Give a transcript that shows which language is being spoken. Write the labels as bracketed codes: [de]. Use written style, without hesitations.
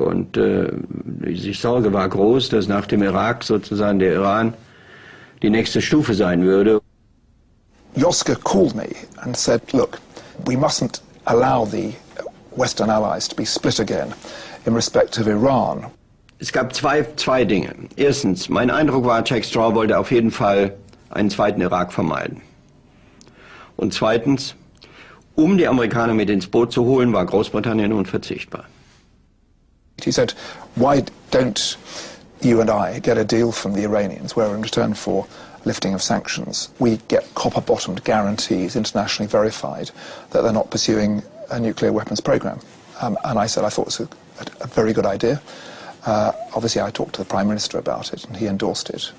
[de] Und die Sorge war groß, dass nach dem Irak sozusagen der Iran die nächste Stufe sein würde. [en] Josca called me and said, look, we mustn't allow the Western allies to be split again in respect of Iran. [de] Es gab zwei Dinge. Erstens, mein Eindruck war, Jack Straw wollte auf jeden Fall einen zweiten Irak vermeiden. Und zweitens, um die Amerikaner mit ins Boot zu holen, war Großbritannien unverzichtbar. [en] He said, why don't you and I get a deal from the Iranians where in return for lifting of sanctions, we get copper-bottomed guarantees, internationally verified, that they're not pursuing a nuclear weapons program. And I said, I thought it was a very good idea. Obviously, I talked to the Prime Minister about it, and he endorsed it.